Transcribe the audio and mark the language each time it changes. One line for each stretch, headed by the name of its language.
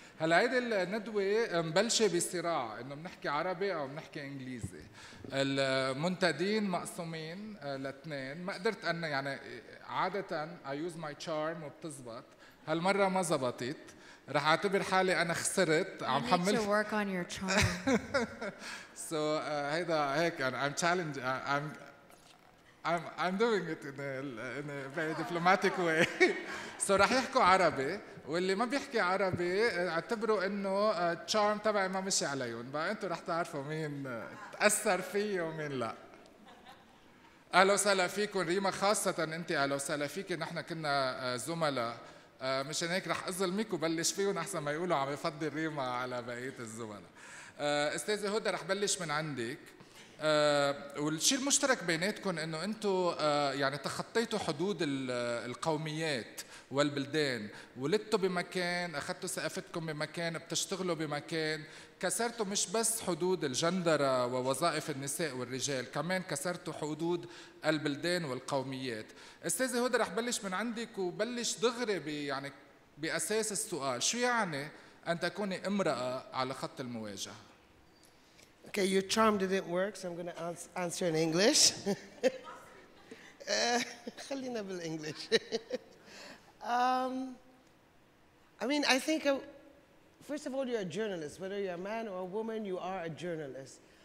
Arabic: هلا هيدي الندوة مبلشة بصراع انه بنحكي عربي او بنحكي انجليزي. المنتدين مقسومين لاثنين، ما قدرت انه يعني عادة
English: I use my charm
Arabic: وبتزبط، هالمرة ما زبطت، رح اعتبر حالي انا خسرت. عم حمل
English: to work on your charm. So
Arabic: هيدا هيك
English: I'm challenging I'm doing it in a very diplomatic way.
Arabic: So رح يحكوا عربي، واللي ما بيحكي عربي اعتبروا انه charm تبعي ما مشي عليهم، بقى انتوا رح تعرفوا مين تأثر فيه ومين لا. أهلا وسهلا فيكم ريما، خاصة أنت أهلا وسهلا فيك، نحن كنا زملاء، مشان هيك رح أظلمك وبلش فيهم أحسن ما يقولوا عم يفضل ريما على بقية الزملاء. أستاذة هدى رح بلش من عندك، والشيء المشترك بيناتكم أنه أنتوا يعني تخطيتوا حدود القوميات والبلدان، ولدتوا بمكان، أخذتوا ثقافتكم بمكان، بتشتغلوا بمكان، كسرتوا مش بس حدود الجندرة ووظائف النساء والرجال، كمان كسرتوا حدود البلدان والقوميات. أستاذة هدى رح بلش من عندك وبلش دغري يعني بأساس السؤال، شو يعني أن تكوني امرأة على خط المواجهة؟
English: Okay, your charm didn't work, so I'm going to answer in English.
Arabic: خلينا بالإنجليش.
English: First of all, you're a journalist. Whether you're a man or a woman, you are a journalist.